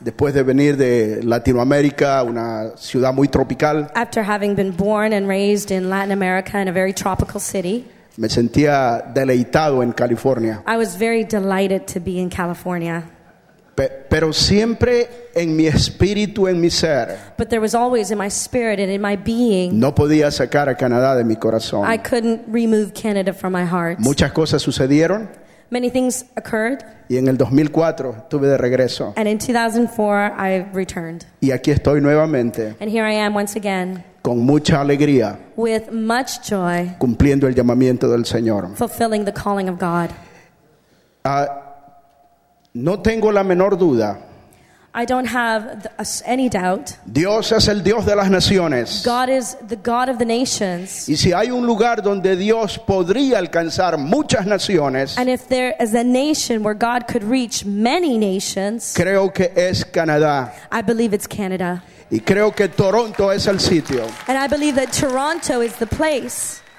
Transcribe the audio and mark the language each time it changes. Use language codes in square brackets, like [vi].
[es] Después de venir de Latinoamérica, una ciudad muy tropical. [en] After having been born and raised in Latin America in a very tropical city. [es] Me sentía deleitado en California. [en] I was very delighted to be in California. [es] Pero siempre en mi espíritu, en mi ser. [en] But there was always in my spirit and in my being. [es] No podía sacar a Canadá de mi corazón. [en] I couldn't remove Canada from my heart. [es] Muchas cosas sucedieron. [en] Many things occurred. [es] Y en el 2004 estuve de regreso. [en] And in 2004 I returned. [es] Y aquí estoy nuevamente. [en] And here I am once again. [es] Con mucha alegría. [en] With much joy. [es] Cumpliendo el llamamiento del Señor. [en] Fulfilling the calling of God. [es] No tengo la menor duda. [en] I don't have any doubt. [es] Dios es el Dios de las naciones. [en] God is the God of the nations. [es] Y si hay un lugar donde Dios podría alcanzar muchas naciones. [en] And if there is a nation where God could reach many nations. [es] Creo que es Canadá. [en] I believe it's Canada. [es] Y creo que Toronto es el sitio. [en] And I believe that Toronto is the place.